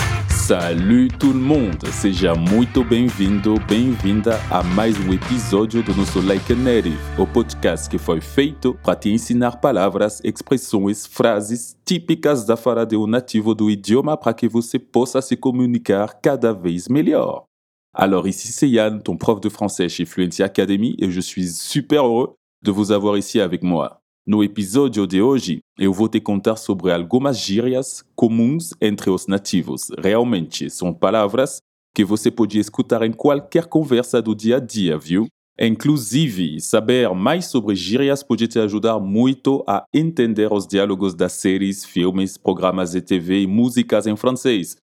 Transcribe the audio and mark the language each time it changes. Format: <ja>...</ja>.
<fr>Salut tout le monde,</fr> <pt>seja muito bem-vindo, bem-vinda a mais um episódio do nosso Like a Native, o podcast que foi feito para te ensinar palavras, expressões, frases típicas da fala de um nativo do idioma para que você possa se comunicar cada vez melhor.</pt> <fr>Alors ici c'est Yann, ton prof de français chez Fluency Academy et je suis super heureux de vous avoir ici avec moi.</fr> <pt>No episódio de hoje, eu vou te contar sobre algumas gírias comuns entre os nativos. Realmente, são palavras que você pode escutar em qualquer conversa do dia a dia, viu? Inclusive, saber mais sobre gírias pode te ajudar muito a entender os diálogos das séries, filmes, programas de TV e músicas em francês.</pt>